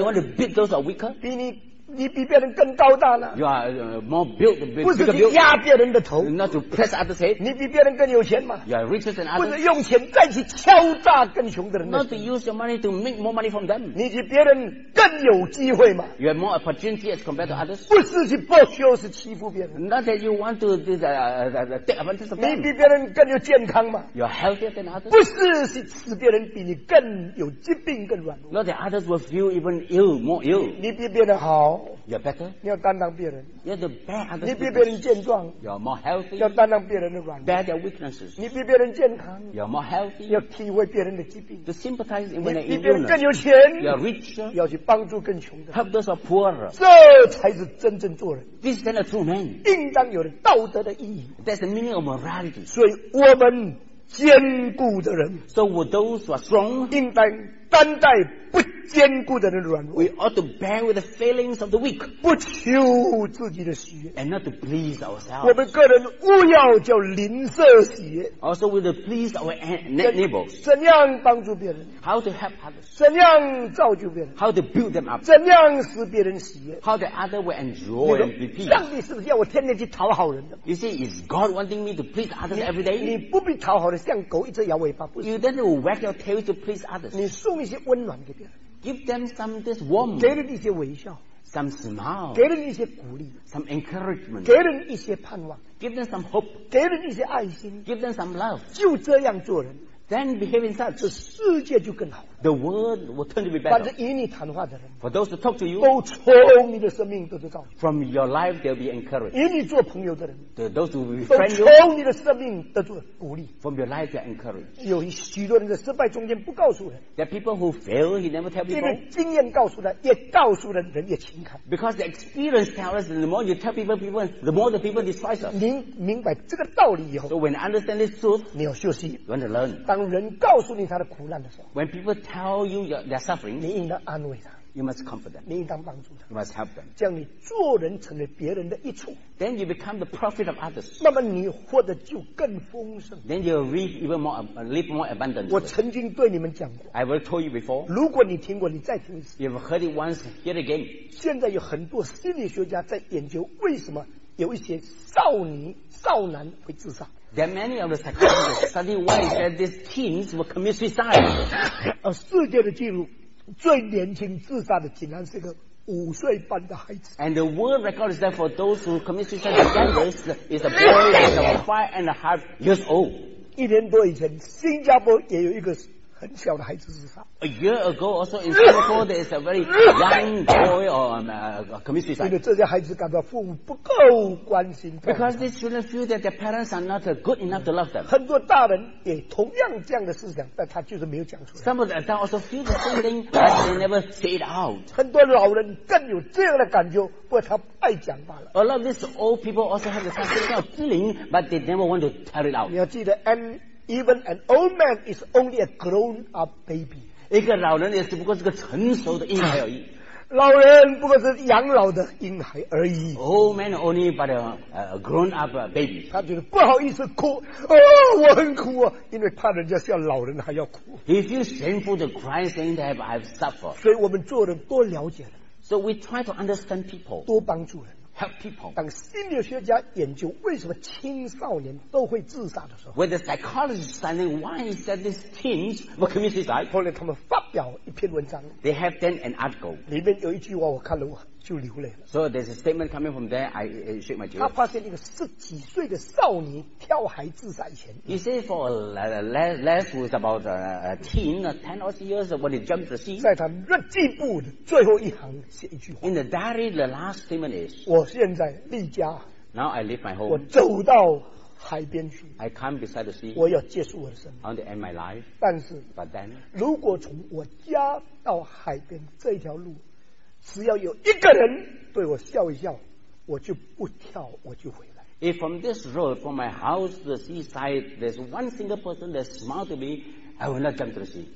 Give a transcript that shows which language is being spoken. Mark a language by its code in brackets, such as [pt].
[en] Then you want to beat those who are weaker? [zh] 比你比别人更高大了。 [en] You are more built than bigger built. [zh] 不是压别人的头。 [en] Not to press others' head. [zh] 你比别人更有钱吗 [en] ？You are richer than others. [zh] 不是用钱再去敲诈更穷的人的。 [en] Not to use your money to make more money from them. [zh] 你比别人更有机会吗 [en] ？You have more opportunity as compared to others. [zh] 不是去剥削，是欺负别人。 [en] Not that you want to take advantage of them. [zh] 你比别人更有健康吗 [en] ？You are healthier than others. [zh] 不是去使别人比你更有疾病、更软弱。 [en] Not that others will feel even ill, more ill. [zh] 你比别人好。 [en] You're better. [zh] 你要担当别人。 [en] You're the bad others. [zh] 你比别人健壮。 [en] You're more healthy. [zh] 要担当别人的软弱。 [en] Bear their weaknesses. [zh] 你比别人健康。 [en] You're more healthy. [zh] 要体会别人的疾病。 [en] To sympathize in their illness. [zh] 你比别人更有钱。 [en] You're richer. [zh] 要去帮助更穷的。 [en] Help those who are poorer. [zh] 这才是真正做人。 [en] This is the true man. [zh] 应当有道德的意义。 [en] That's the meaning of morality. [zh] 所以我们坚固的人。 [en] So with those who are strong. [zh] 应当担待不坚固的人软弱。 [en] We ought to bear with the failings of the weak. [zh] 不求自己的喜悦。 [en] And not to please ourselves. [zh] 我们个人勿要叫邻舍喜悦。 [en] Also we to please our neighbors. [zh] 怎样帮助别人？ [en] How to help others. [zh] 怎样造就别人？ [en] How to build them up. [zh] 怎样使别人喜悦？ [en] How the other will enjoy and be pleased. [zh] 上帝是不是要我天天去讨好人的？ [en] You see, is God wanting me to please others every day? [zh] 你不必讨好人，像狗一直摇尾巴，不是。 [en] You then will wag your tail to please others. [zh] 你送一些温暖给别人。 [en] Give them some this warmth. [zh] 给人一些微笑。 [en] Some smile. [zh] 给人一些鼓励。 [en] Some encouragement. [zh] 给人一些盼望。 [en] Give them some hope. [zh] 给人一些爱心。 [en] Give them some love. [zh] 就这样做人。 [en] Then behave in such. [zh] 这世界就更好。 [en] The world will turn to be better. [zh] 凡是与你谈话的人。 [en] For those who talk to you. [zh] 都从你的生命得到造就。 [en] From your life they'll be encouraged. [zh] 与你做朋友的人。 [en] Those who will befriend you. [zh] 都从你的生命得到鼓励。 [en] From your life they're encouraged. [zh] 有许多人在失败中间不告诉人。 [en] There are people who fail, he never tell people. [zh] 因为经验告诉人，也告诉人，人也轻看。 [en] Because the experience tells us, the more you tell people, the more the people despise us. [zh] 您明白这个道理以后。 [en] So when you understand this truth. [zh] 你要学习。 [en] You want to learn. [zh] 当人告诉你他的苦难的时候。 [en] When people tell you their suffering, [zh] 你应当安慰他。 [en] You must comfort them. [zh] 你应当帮助他。 [en] You must help them. [zh] 这样你做人成为别人的益处。 [en] Then you become the profit of others. [zh] 那么你活得就更丰盛。 [en] Then you live even more, live more abundantly. [zh] 我曾经对你们讲过。 [en] I will tell you before. [zh] 如果你听过，你再听一次。 [en] You've heard it once, hear it again. [zh] 现在有很多心理学家在研究为什么有一些少女、少男会自杀。 [en] There are many of the psychologists study why that these teens will commit suicide. [zh] 世界的记录最年轻自杀的竟然是个五岁半的孩子。 [en] And the world record is that for those who commit suicide youngest is a boy of 5.5 years old. [zh] 一年多以前，新加坡也有一个很小的孩子自杀。 [en] A year ago, also in Singapore, there is a very young boy or commit suicide. [zh] 因为这些孩子感到父母不够关心。 [en] Because these children feel that their parents are not good enough to love them. [zh] 很多大人也同样这样的思想，但他就是没有讲出来。 [en] Some of the adults also feel the same thing, but they never say it out. [zh] 很多老人更有这样的感觉，不过他不爱讲罢了。 [en] A lot of these old people also have the same kind of feeling, but they never want to tell it out. [zh] 你要记得 [en] Even an old man is only a grown-up baby. [zh] 一个老人也只不过是个成熟的婴孩而已。老人不过是养老的婴孩而已。 [en] Old man only but a grown-up baby. [zh] 他觉得不好意思哭，哦，我很苦啊，因为怕人家笑，老人还要哭。 [en] He feels shameful to cry, saying that I've suffered. [zh] 所以我们做人多了解人。 [en] So we try to understand people. [zh] 多帮助人。 [en] Help people. [zh] 当心理学家研究为什么青少年都会自杀的时候 [en] ，When the psychologist studying why is that these teens will commit suicide， [zh] 后来他们发表一篇文章 [en] ，They have done an article， [zh] 里面有一句话我看了我就流泪了。 [en] So there's a statement coming from there， I shake my tears。 [zh] 他发现一个十几岁的少年跳海自杀以前 [en] ，He said for last was about a teen, ten or years when he jumped the sea， [zh] 在他日记簿的最后一行写一句话 [en] ，In the diary the last statement is。 [zh] 我现在离家 [en] Now I leave my home. [zh] 我走到海边去 [en] I come beside the sea. [zh] 我要结束我的生命 [en] I want to end my life. [zh] 但是 [en] But then, [zh] 如果从我家到海边这条路只要有一个人对我笑一笑我就不跳我就回来 [en] If from this road from my house to the seaside there's one single person that smiled to me I will not jump to the sea.